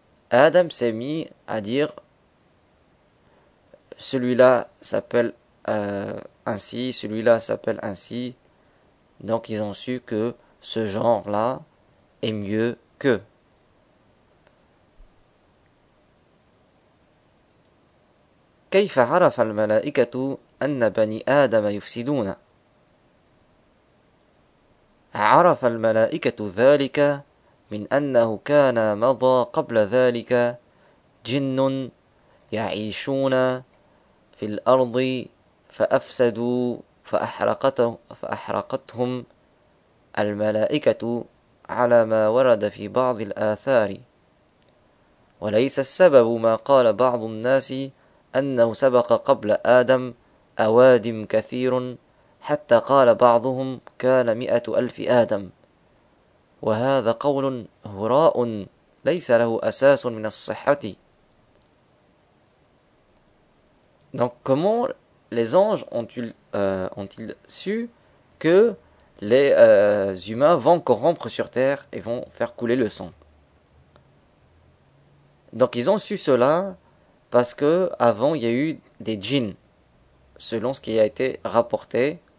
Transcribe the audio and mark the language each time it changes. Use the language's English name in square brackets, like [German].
[French] Adam s'est mis à dire, celui-là s'appelle ainsi, celui-là s'appelle ainsi. Donc ils ont su que ce genre-là est mieux qu'eux. [Arabic] كيف عرف الملائكة أن بني آدم يفسدون؟ عرف الملائكة ذلك من أنه كان مضى قبل ذلك جن يعيشون في الأرض فأفسدوا فأحرقتهم الملائكة على ما ورد في بعض الآثار، وليس السبب ما قال بعض الناس أنه سبق قبل آدم أوادم كثير، حتى قال بعضهم كان 100,000 آدم، وهذا قول هراء ليس له أساس من الصحة. [French] Donc, comment les anges ont-ils su que les humains vont corrompre sur terre et vont faire couler le sang? Donc, ils ont su cela. Parce que avant il y a eu des djinns, selon ce qui a été rapporté.